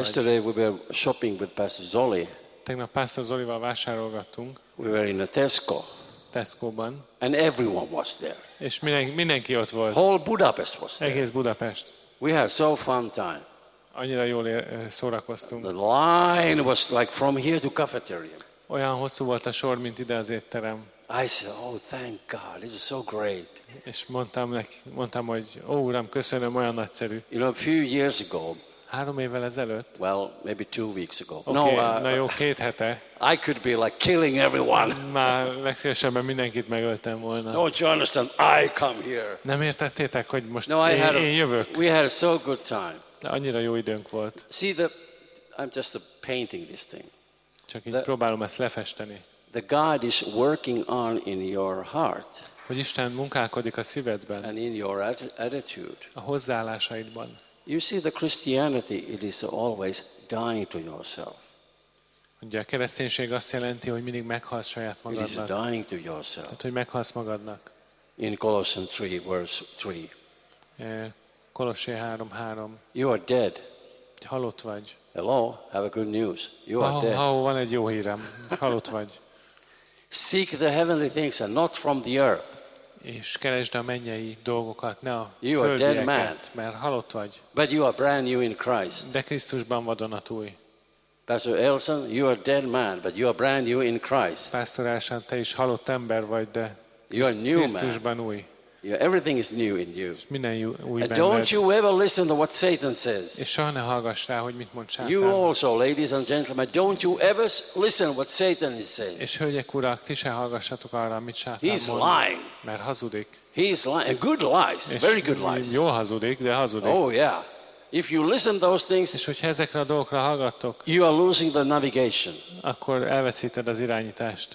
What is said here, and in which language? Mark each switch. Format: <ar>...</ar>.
<en>Yesterday we were shopping with Pastor Zoli.</en> <hu>Tegnap Pastor Zolival vásárolgattunk.</hu> <en>We were in a Tesco.</en> <hu>Tesco-ban.</hu> <en>And everyone was there.</en> <hu>És mindenki ott volt.</hu> <en>Whole Budapest was there.</en> <hu>Egész Budapest.</hu> <en>We had so fun time.</en> <hu>Annyira jól szórakoztunk.</hu> <en>The line was like from here to cafeteria.</en> <hu>Olyan hosszú volt a sor, mint ide az étterem.</hu> <en>I said, oh, thank God, this is so great.</en> <hu>És mondtam, hogy ó, Uram, köszönöm, olyan nagyszerű.</hu> <en>You know, a few years ago.</en> <hu>Három évvel ezelőtt.</hu> <en>Well, maybe 2 weeks ago.</en> <hu>Okay, no, na jó, két hete.</hu> <en>I could be like killing everyone.</en> <hu>Na, legszívesebben mindenkit megöltem volna.</hu> <en>No, Jonathan, I come here.</en> <hu>Nem értettétek, hogy most én jövök.</hu> <en>We had a so good time.</en> <hu>De annyira jó időnk volt.</hu> <en>See the, I'm just painting this thing.</en> <hu>Csak így próbálom ezt lefesteni.</hu> <en>The God is working on in your heart.</en> <hu>Hogy Isten munkálkodik a szívedben.</hu> <en>And in your attitude.</en> <hu>A hozzáállásaidban.</hu> <en>You see, the Christianity, it is always dying to yourself.</en> <hu>Ugye a kereszténység azt jelenti, hogy mindig meghalsz saját magadnak.</hu> <en>It is dying to yourself.</en> <hu>Tehát, hogy meghalsz magadnak.</hu> <en>In Colossians 3, verse 3.</en> <hu>Kolossé 3:3.</hu> <en>You are dead.</en> <hu>Halott vagy.</hu> <en>Hello, have a good news. You are dead.</en> <hu>Ha van egy jó hírem. Halott vagy.</hu> <en>Seek the heavenly things and not from the earth.</en> <hu>És keresd a mennyei dolgokat, ne a</hu> <en>you</en> <hu>földieket, mert halott vagy.</hu> <en>But you are brand new in Christ.</en> <hu>De Krisztusban vadonatúj.</hu> <en>Pastor Elson, you are dead man, but you are brand new in Christ.</en> <hu>Pastor Elson, te is halott ember vagy, de</hu> <en>you are new</en> <hu>Krisztusban</hu> <en>man.</en> <hu>Új.</hu> <en>Yeah, everything is new in you.</en> <hu>És minden új benned.</hu> <en>And don't you ever listen to what Satan says.</en> <hu>És soha ne hallgass rá, hogy mit mond Sátán.</hu> <en>You also, ladies and gentlemen, don't you ever listen what Satan says.</en> <hu>És hölgyek, urak, ti se hallgassatok arra, mit Sátán mond.</hu> <en>He's lying.</en> <hu>Mert hazudik.</hu> <en>He's lying. Good lies. Very good lies.</en> <hu>Jó hazudik, de hazudik.</hu> <en>Oh yeah. If you listen to those things,</en> <hu>és hogyha ezekre a dolgokra hallgattok,</hu> <en>you are losing the navigation.</en> <hu>Akkor elveszíted az irányítást.</hu>